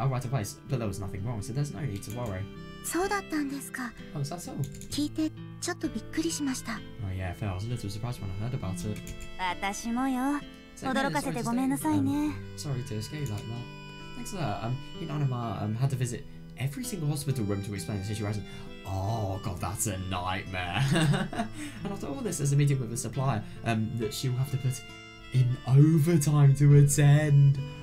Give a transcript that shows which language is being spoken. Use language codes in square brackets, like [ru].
[en] I'll write a place, but there was nothing wrong, so there's no need to worry. [ja] そうだったんですか. [en] Oh, is that so? [ja] 聞いてちょっとびっくりしました. [en] Oh yeah, fair. I was a little surprised when I heard about it. [ja] 私もよ. [en] So, yeah, [ja] 驚かせてごめんなさいね. [en] Sorry to scare you like that. Thanks for that. Hinanuma had to visit every single hospital room to explain the situation. Oh god, that's a nightmare. And after all this, there's a meeting with a supplier that she will have to put in overtime to attend.